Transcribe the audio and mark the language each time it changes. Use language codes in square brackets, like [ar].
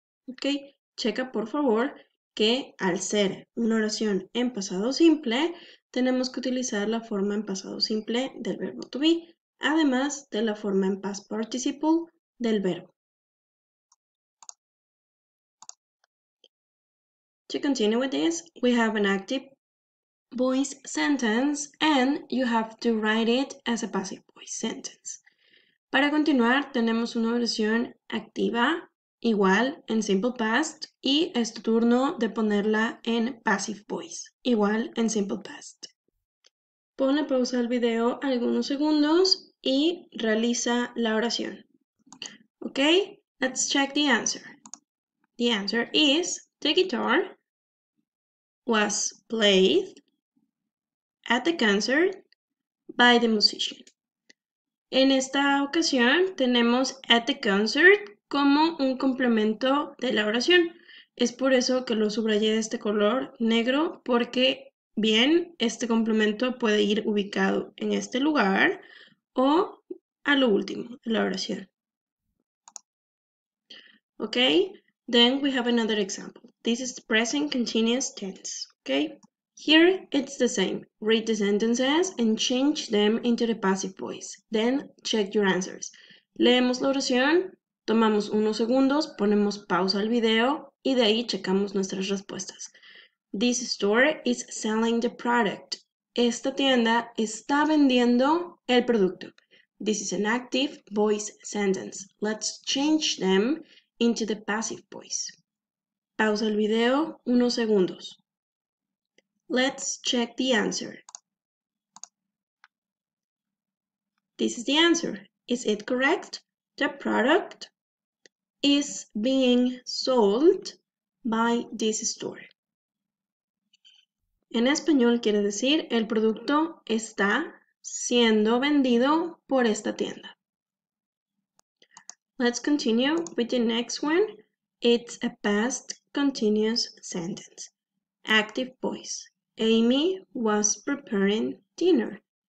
[es] Okay, checa por favor que al ser una oración en pasado simple, tenemos que utilizar la forma en pasado simple del verbo to be, además de la forma en past participle del verbo. [en] To continue with this, we have an active voice sentence and you have to write it as a passive voice sentence. [es] Para continuar, tenemos una oración activa igual en simple past y es tu turno de ponerla en passive voice, igual en simple past. Pone pausa al video algunos segundos y realiza la oración. [en] Okay, let's check the answer. The answer is the guitar was played at the concert by the musician. [es] En esta ocasión tenemos [en] at the concert [es] como un complemento de la oración. Es por eso que lo subrayé de este color negro, porque bien, este complemento puede ir ubicado en este lugar o a lo último de la oración. [en] Okay, then we have another example. This is the present continuous tense. Okay, here it's the same. Read the sentences and change them into the passive voice. Then check your answers. [es] Leemos la oración, tomamos unos segundos, ponemos pausa al video y de ahí checamos nuestras respuestas. [en] This store is selling the product. [es] Esta tienda está vendiendo el producto. [en] This is an active voice sentence. Let's change them into the passive voice. [es] Pausa el video unos segundos. [en] Let's check the answer. This is the answer. Is it correct? The product is being sold by this store. [es] En español quiere decir el producto está siendo vendido por esta tienda. [en] Let's continue with the next one. It's a past continuous sentence. Active voice. Amy was preparing dinner.